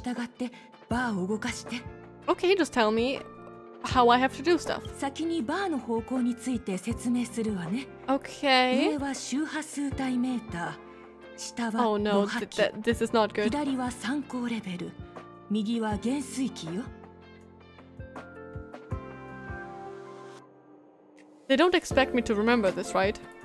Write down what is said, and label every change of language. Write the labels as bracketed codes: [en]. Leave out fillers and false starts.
[ja] ありがとう。若い人。私たちは今衛星遠隔計測の事前調節をしているの。私が信号を観測するボタンを押すから、あなたは言った手順に従ってバーを動かして。 [en] Okay, just tell me how I have to do stuff. [ja] 先にバーの方向について説明するわね。Okay。上は周波数帯メーター。下は波形。左は参考レベル。右は減衰器よ。 [en] They don't expect me to remember this, right?